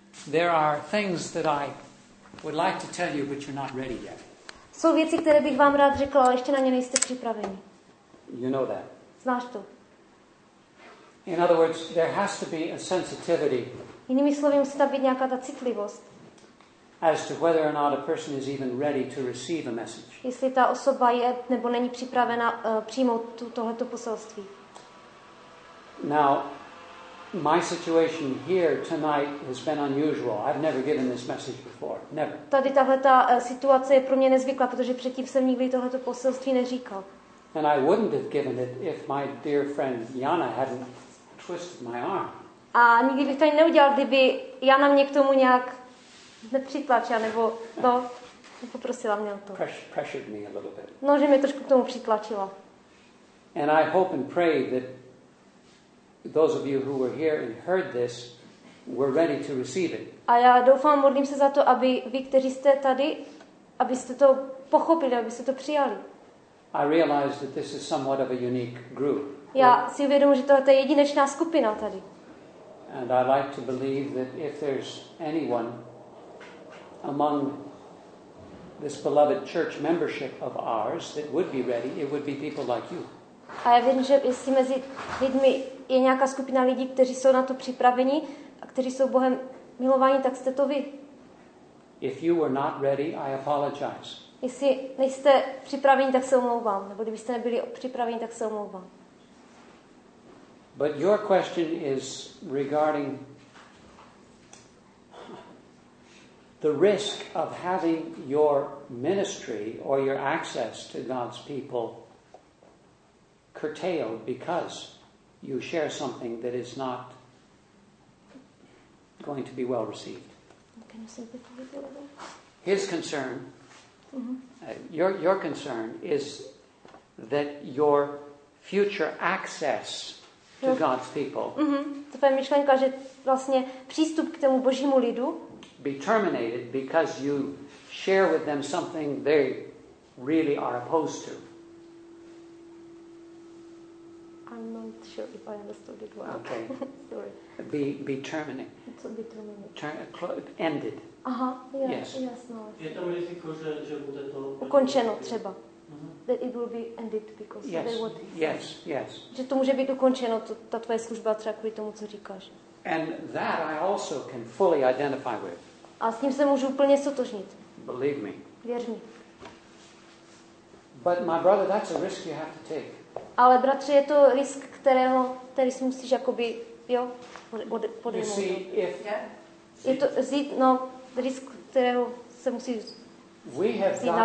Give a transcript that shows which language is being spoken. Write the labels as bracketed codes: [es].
[en] There are things that I would like to tell you, but you're not ready yet. [cs] Jsou věci, které bych vám rád řekla, ale ještě na ně nejste připraveni. [en] You know that. [cs] Znáš to. [en] In other words, there has to be a sensitivity. [cs] Jinými slovy, musí tam být nějaká ta citlivost. [en] As to whether or not a person is even ready to receive a message. [cs] Jestli ta osoba je nebo není připravena přijmout tohleto poselství. [en] Now, my situation here tonight has been unusual. I've never given this message before. Never. [cs] Tady tahleta situace je pro mě nezvyklá, protože předtím jsem nikdy tohleto poselství neříkal. [en] And I wouldn't have given it if my dear friend Jana hadn't twisted my arm. [cs] A nikdy bych to neudělal, kdyby Jana mě k tomu nějak nepřitlačila, nebo to poprosila mě o to. [en] Pressured me a little bit. [cs] No, že mě trošku k tomu přitlačila. [en] And I hope and pray that those of you who were here and heard this were ready to receive it. [cs] A já doufám, modlím se za to, aby vy, kteří jste tady, abyste to pochopili, abyste to přijali. [en] I realize that this is somewhat of a unique group. [cs] Já si uvědomuji, že tohle je jedinečná skupina tady. [en] And I like to believe that if there's anyone among this beloved church membership of ours that would be ready, it would be people like you. [cs] A já věřím, že jestli mezi lidmi je nějaká skupina lidí, kteří jsou na to připraveni a kteří jsou Bohem milováni, tak jste to vy. [en] If you were not ready, I apologize. [cs] Jestli nejste připraveni, tak se omlouvám. Nebo kdybyste nebyli připraveni, tak se omlouvám. [en] But your question is regarding the risk of having your ministry or your access to God's people curtailed because you share something that is not going to be well received. Can you simply put it a little bit? His concern, your concern is that your future access to God's people. [cs] To je myšlenka, že vlastně přístup k tomu Božímu lidu. [en] Be terminated because you share with them something they really are opposed to. I'm not sure if I understood it well. Okay. Sorry. Be terminated. It's a bit terminated. Ended. Aha, yes. [cs] Je tam riziko, že bude to ukončeno třeba. [en] That it will be ended because of what yes. [cs] Že to může být ukončeno ta tvoje služba třeba kvůli tomu, co říkáš. [en] And that I also can fully identify with. [cs] A s tím se můžu úplně sotožnit. [en] Believe me. [cs] Věř mi. [en] But my brother, that's a risk you have to take. [cs] Ale bratře, je to risk, který si musíš jakoby, jo, podejmout. [en] You see, if... [cs] Je to risk, kterého se musí vzít na